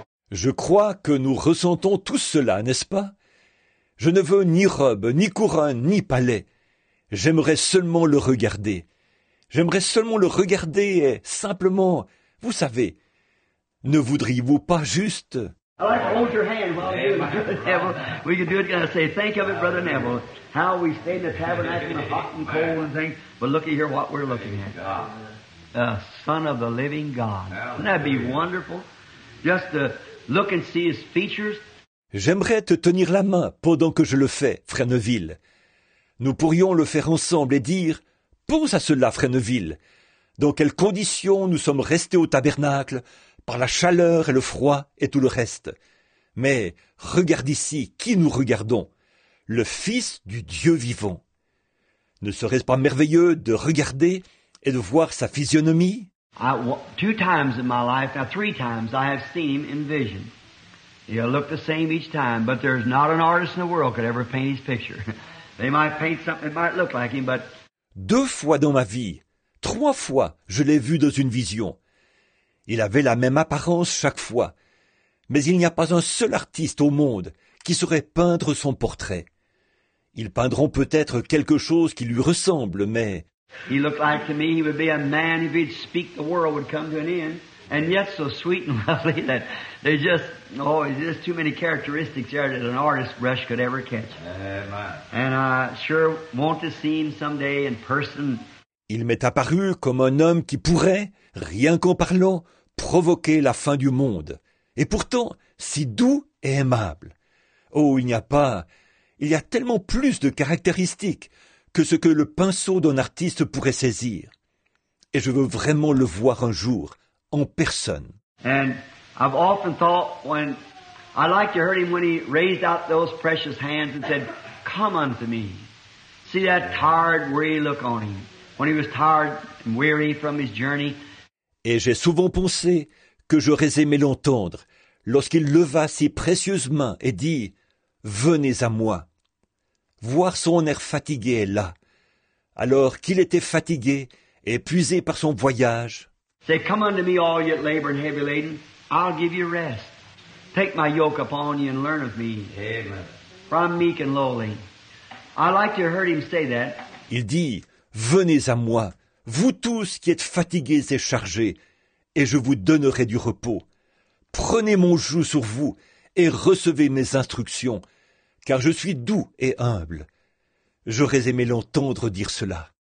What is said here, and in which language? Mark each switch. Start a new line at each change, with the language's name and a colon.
French: Je crois que nous ressentons tous cela, n'est-ce pas? Je ne veux ni robe, ni couronne, ni palais. J'aimerais seulement le regarder. J'aimerais seulement le regarder et simplement, vous savez, ne voudriez-vous pas juste...
English: I like to hold your hand while you do it, Neville. We can do it and say, think of it, Brother Neville, how we stay in the tabernacle in the hot and cold and things, but look at here what we're looking at. The Son of the Living God. Wouldn't that be wonderful? Just to look and see his features.
French: J'aimerais te tenir la main pendant que je le fais, Frère Neville. Nous pourrions le faire ensemble et dire, pense à cela, Fresneville, dans quelles conditions nous sommes restés au tabernacle, par la chaleur et le froid et tout le reste. Mais regarde ici, qui nous regardons? Le Fils du Dieu vivant. Ne serait-ce pas merveilleux de regarder et de voir sa physionomie?
English: Two times in my life, now three times, I have seen him in vision. He'll look the same each time, but there's not an artist in the world could ever paint his picture. They might paint something that might look like him, but...
French: Deux fois dans ma vie, trois fois, je l'ai vu dans une vision. Il avait la même apparence chaque fois. Mais il n'y a pas un seul artiste au monde qui saurait peindre son portrait. Ils peindront peut-être quelque chose qui lui ressemble, mais...
English: He looked like to me he would be a man, if he'd speak the world would come to an end, and yet so sweet and lovely that there's just, there's too many characteristics there that an artist brush could ever catch. And I sure want to see him someday in person.
French: Il m'est apparu comme un homme qui pourrait, rien qu'en parlant, provoquer la fin du monde. Et pourtant, si doux et aimable. Oh, il y a tellement plus de caractéristiques que ce que le pinceau d'un artiste pourrait saisir. Et je veux vraiment le voir un jour, en personne.
English: And I've often thought when I like to hear him when he raised out those precious hands and said, come unto me. See that tired, weary look on him. When he was tired and weary from his journey.
French: Et j'ai souvent pensé que j'aurais aimé l'entendre lorsqu'il leva ses précieuses mains et dit, venez à moi. Voir son air fatigué là, alors qu'il était fatigué et épuisé par son voyage.
English: Say, come unto me, all ye labor and heavy laden, I'll give you rest. Take my yoke upon you and learn of me. Amen. For I'm meek and lowly. I like to hear him say that.
French: Il dit, venez à moi, vous tous qui êtes fatigués et chargés, et je vous donnerai du repos. Prenez mon joug sur vous et recevez mes instructions. Car je suis doux et humble. J'aurais aimé l'entendre dire cela.